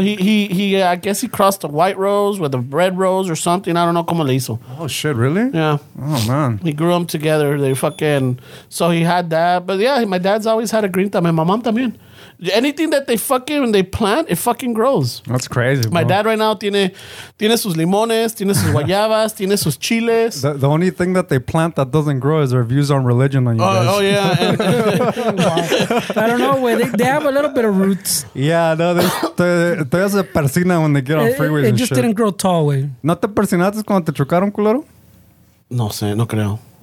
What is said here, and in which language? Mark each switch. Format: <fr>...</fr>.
<en>He I guess he crossed a white rose with a red rose or something. I don't know.</en> <es>Como le hizo.</es> <en>Oh, shit. Really? Yeah. Oh, man. He grew them together. They fucking. So he had that, but yeah, my dad's always had a green thumb, and my mom también. Anything that they fucking they plant, it fucking grows. That's crazy. My bro. Dad right now</en> <es>tiene sus limones, tiene sus guayabas, tiene sus chiles.</es> <en>The only thing that they plant that doesn't grow is their views on religion on you guys. Oh yeah. Wow. I don't know where they have a little bit of roots. Yeah, no, there's a persina when they get on freeways. It just shit. Didn't grow tall, way.</en> <es>¿No te persinaste cuando te chocaron, culero? No sé, no creo.</es>